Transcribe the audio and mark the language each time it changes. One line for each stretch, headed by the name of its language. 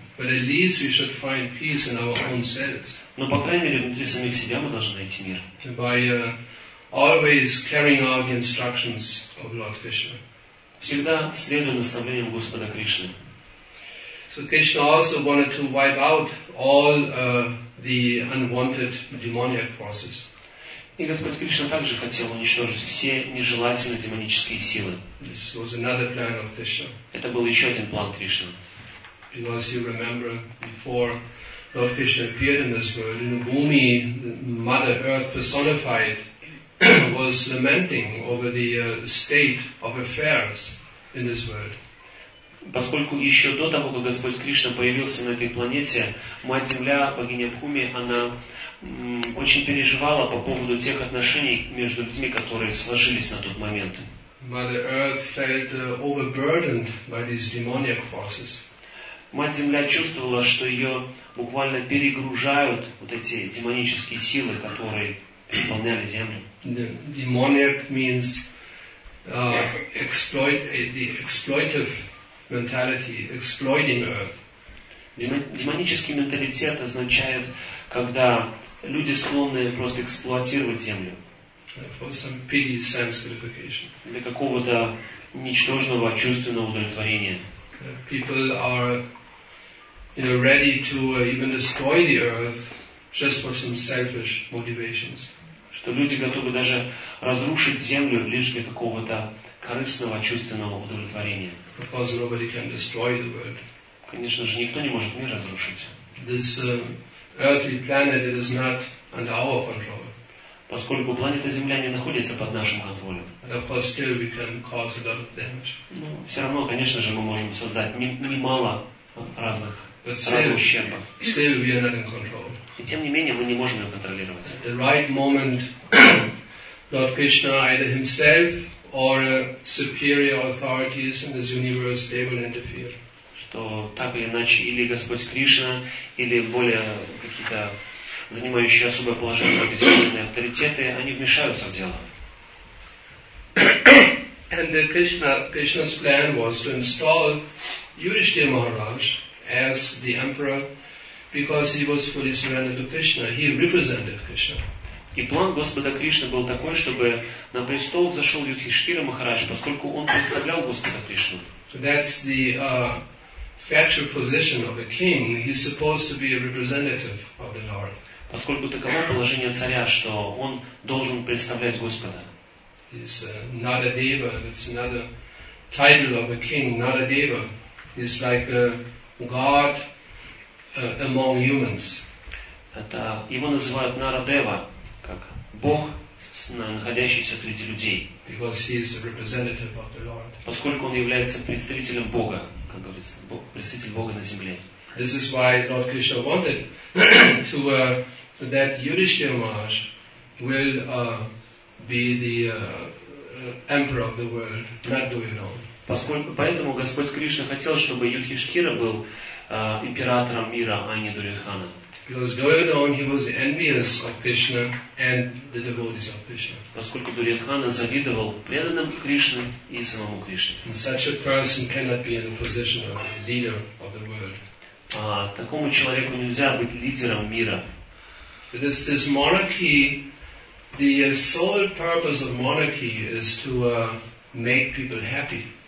English: But at least we should find peace in our own selves.
Russian: Но, по крайней мере, внутри самих себя мы должны найти мир.
English: By always carrying out the instructions of Lord Krishna.
Russian: Всегда следуя наставлениям Господа Кришны.
English: So Krishna also wanted to wipe out all the unwanted demoniac forces.
Russian: И Господь Кришна также хотел уничтожить все нежелательные демонические силы.
English: This was another plan of Krishna.
Russian: Это был еще один план Кришны.
English: Because you remember, before Lord Krishna appeared in this world, in Bhumi, Mother Earth personified was lamenting over the state of affairs in this world.
Russian: Поскольку еще до того, как Господь Кришна появился на этой планете, Мать Земля, богиня Бхуми, она очень переживала по поводу тех отношений между людьми, которые сложились на тот момент.
English: Mother Earth felt overburdened by these demonic forces.
Russian: Мать Земля чувствовала, что ее буквально перегружают вот эти демонические силы, которые переполняли Землю.
English: Demonic means the exploitive mentality, exploiting Earth.
Russian: Демонический менталитет означает, когда люди склонны просто эксплуатировать землю.
English: For some pity, sense gratification.
Russian: Для какого-то ничтожного чувственного удовлетворения.
English: People are, you know, ready to even destroy the earth just for some selfish motivations.
Russian: Что люди готовы даже разрушить землю лишь для какого-то корыстного чувственного удовлетворения.
English: Because nobody can destroy the world.
Russian: Конечно же, никто не может мир разрушить.
English: This earthly planet, it is not under our control.
Russian: Поскольку планета Земля не находится под нашим контролем.
English: And of course, still we can cause a lot of damage.
Russian: Ну, все равно, конечно же, мы можем создать немало разных ущербов.
English: But still, we are not in control.
Russian: И тем не менее, мы не можем ее контролировать.
English: At the right moment, Lord Krishna, either himself or superior authorities in this universe, they will interfere.
Russian: То так или иначе, или Господь Кришна, или более какие-то занимающие особое положение определенные авторитеты, они вмешаются в дело.
English: And Krishna's plan was to install Yudhishthira Maharaj as the emperor, because he was fully surrendered to Krishna. He represented Krishna.
Russian: И план Господа Кришны был такой, чтобы на престол зашел Юдхиштхира Махарадж, поскольку он представлял Господа Кришну.
English: That's the factual position of a king, he's supposed to be a representative of the Lord.
Russian: Поскольку таково положение царя, что он должен представлять Господа.
English: is Naradeva. It's another title of a king. Naradeva is like a god among humans.
Russian: Это его называют Нарадева, как Бог, находящийся среди людей.
English: Because he is a representative of the Lord.
Russian: Поскольку он является представителем Бога, как говорится, представитель Бога на земле.
English: This is why Lord Krishna wanted to that Yudhishthira Maharaj will be the emperor of the world, not Duryodhana.
Russian: Поэтому Господь Кришна хотел, чтобы Юдхиштхира был императором мира, а не Дурьодхана.
English: Because Duryodhana, he was envious of Krishna and the devotees of Krishna.
Russian: Поскольку Дурьодхана завидовал преданным Кришне и самому Кришне.
English: And such a person cannot be in the position of the leader of the world.
Russian: А такому человеку нельзя быть лидером мира.
English: So this monarchy, the sole purpose of monarchy is to make people happy.